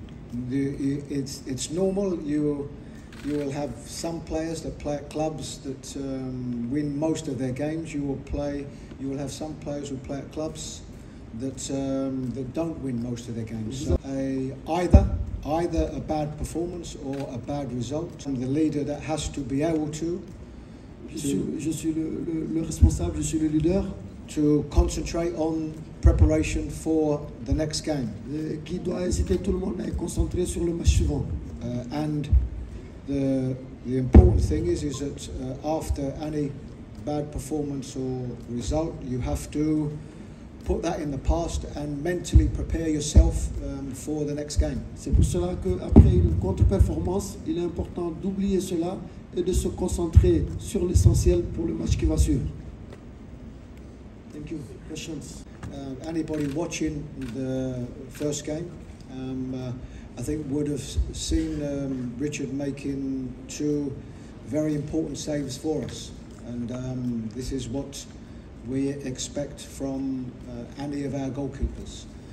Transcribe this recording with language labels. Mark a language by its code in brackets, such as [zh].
[en] It's normal, you will have some players that play at clubs that win most of their games. You will have some players who play at clubs that don't win most of their games. So either a bad performance or a bad result. I'm the leader that has to be able to. [fr] Je suis le responsable, je suis le leader. [en] To concentrate on preparation for the next game. [fr] Qui doit inciter tout le monde à être concentré sur le match suivant. [en] And the important thing is that after any bad performance or result, you have to put that in the past and mentally prepare yourself for the next game. [fr] C'est pour cela que après une contre-performance, il est important d'oublier cela et de se concentrer sur l'essentiel pour le match qui va suivre. [en] Thank you. Questions? Anybody watching the first game, I think would have seen Richard making two very important saves for us. And this is what we expect from any of our goalkeepers.